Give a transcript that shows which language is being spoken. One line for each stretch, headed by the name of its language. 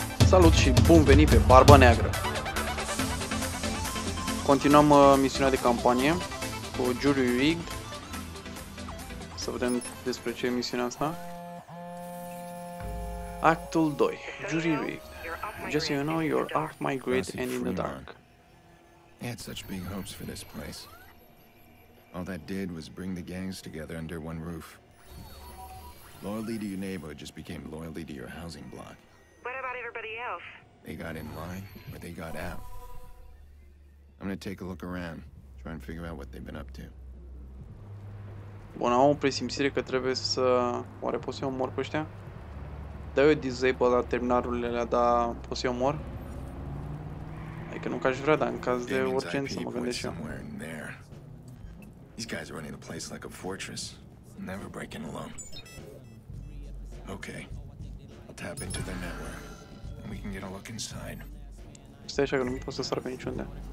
Romanian: salut și bun venit pe Barba Neagră! Continuăm misiunea de campanie cu Juliu Rigg. Să vedem despre ce e misiunea asta. Actul 2. Juliu Rigg.
English: Just so you know, you're off my grid and in the dark. I had such big hopes for this place. All that did was bring the gangs together under one roof. Loyalty to your neighborhood just became loyalty to your housing block. What about everybody else? They got in line, but they got out. I'm gonna take a look around, try and figure out what they've been up to.
Romanian: Bun, am o presimțire că trebuie să... Oare pot să-i omor pe ăștia? Da, eu disable la terminarurile alea, dar pot să-i omor? Adică nu că aș vrea, dar în caz de urgență mă gândesc eu.
English: These guys are running the place like a fortress, never breaking alone. Okay, I'll tap into their network, and we can get a look inside.
Romanian: Stai așa că nu pot să sar pe niciunde.